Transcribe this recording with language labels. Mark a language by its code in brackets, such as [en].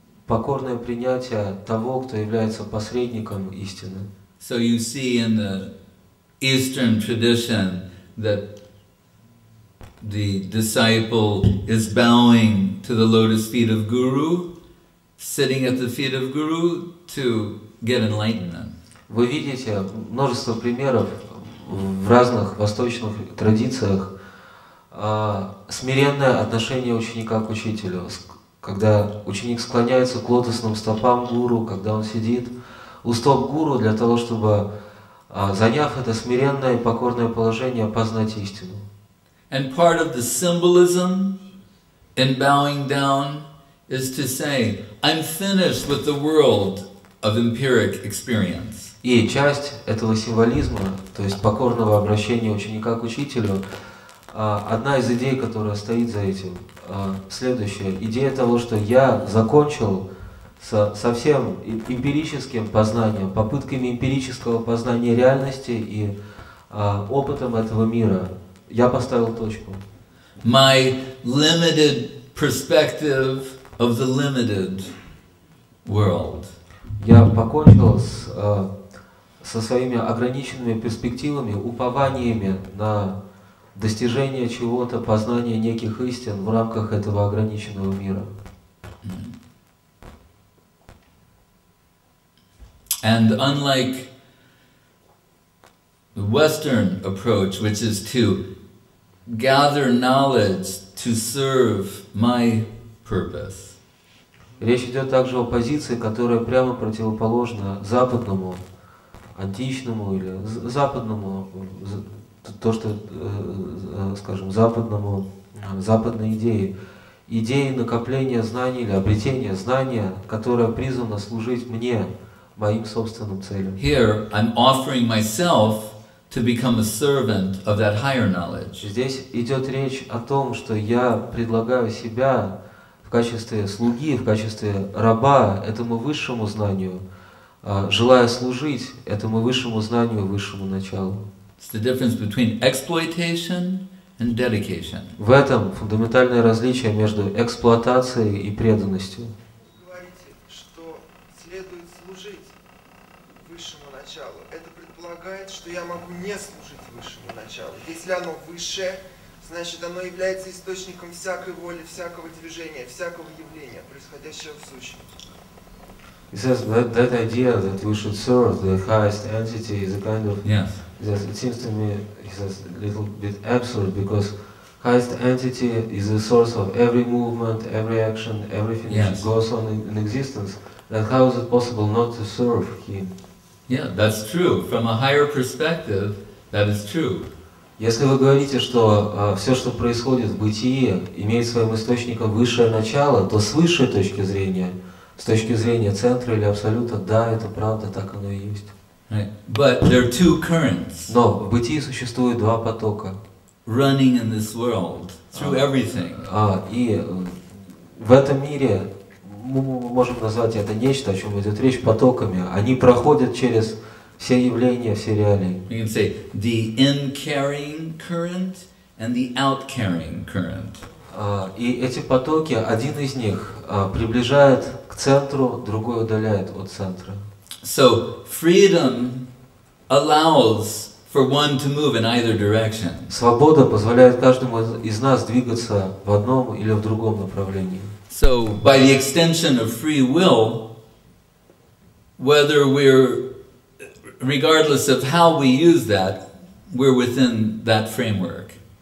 [ru] покорное принятие того, кто является посредником истины. [en] So you see in the Eastern tradition that the disciple is bowing to the lotus feet of Guru, sitting at the feet of Guru to get enlightenment. [ru] Вы видите множество примеров в разных восточных традициях смиренное отношение ученика к учителю, когда ученик склоняется к лотосным стопам гуру, когда он сидит у стоп гуру для того, чтобы, заняв это смиренное и покорное положение, познать истину. [en] And part of the symbolism in bowing down is to say, I'm finished with the world of empiric experience. [ru] И часть этого символизма, то есть покорного обращения ученика к учителю, одна из идей, которая стоит за этим, следующая. Идея того, что я закончил со всем эмпирическим познанием, попытками эмпирического познания реальности и опытом этого мира. Я поставил точку. [en] My limited perspective of the limited world. [ru] Я покончил с... со своими ограниченными перспективами, упованиями на достижение чего-то, познание неких истин в рамках этого ограниченного мира. [en] And unlike the Western approach, which is to gather knowledge to serve my purpose. [ru] Речь идет также о позиции, которая прямо противоположна западному, античному или западному, то, что, скажем, западному, западной идее. Идеи накопления знаний или обретения знания, которое призвано служить мне, моим собственным целям. [en] Here I'm offering myself to become a servant of that higher knowledge. [ru] Здесь идет речь о том, что я предлагаю себя в качестве слуги, в качестве раба этому высшему знанию, желая служить этому высшему знанию, высшему началу. [en] It's the difference between exploitation and dedication. [ru] В этом фундаментальное различие между эксплуатацией и преданностью. Вы говорите, что следует служить высшему началу. Это предполагает, что я могу не служить высшему началу. Если оно высшее, значит, оно является источником всякой воли, всякого движения, всякого явления, происходящего в сущности. [en] He says that that idea that we should serve the highest entity is a kind of yes. It seems to me, he says, a little bit absurd because highest entity is the source of every movement, every action, everything yes. that goes on in existence. Then how is it possible not to serve him? Yeah, that's true. From a higher perspective, that is true. [ru] Если вы говорите, что все, что происходит в бытии, имеет своим источником высшее начало, то с высшей точки зрения. С точки зрения центра или абсолюта, да, это правда, так оно и есть. [en] Right. But there are two currents. [ru] Но в бытии существует два потока. [en] Running in this world through everything. [ru] И в этом мире мы можем назвать это нечто, о чем идет речь, потоками. Они проходят через все явления, все реалии. [en] We can say the in-carrying current and the out-carrying current. [ru] И эти потоки, один из них приближает к центру, другой удаляет от центра. [en] So freedom allows for one to move in either direction. [ru] Свобода позволяет каждому из нас двигаться в одном или в другом направлении. [en] So by the extension of free will, whether we're, regardless of how we use that, we're within that framework.